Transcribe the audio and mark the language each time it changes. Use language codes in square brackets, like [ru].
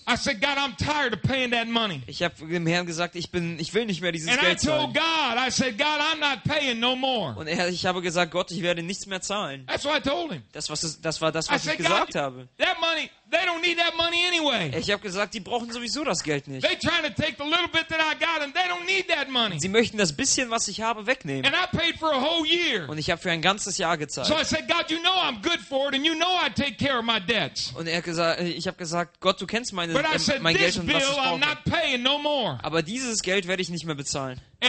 [en] I said, God, I'm tired of paying that money. [de] Ich habe dem Herrn gesagt, ich will nicht mehr dieses [en] And [de] Geld [en] I told God, I said, God, I'm not paying no more. [de] Und ich habe gesagt, Gott, ich werde nichts mehr zahlen. [en] That's what I told him. [de] Das war das, was ich gesagt habe. [en] That money, they don't need that money anyway. [de] Ich habe gesagt, die brauchen sowieso das Geld nicht. [en] They're trying to take the little bit that I got and they don't need that money. [de] Sie möchten das bisschen, was ich habe, wegnehmen. [en] And I paid for a whole year. [de] Und ich habe für ein ganzes Jahr gezahlt. [en] So I said, God, you know I'm good for it and you know I take care of my debts. [de] Und ich habe gesagt, Gott, du kennst mein Geld und was ich brauche. Aber dieses Geld werde ich nicht mehr bezahlen.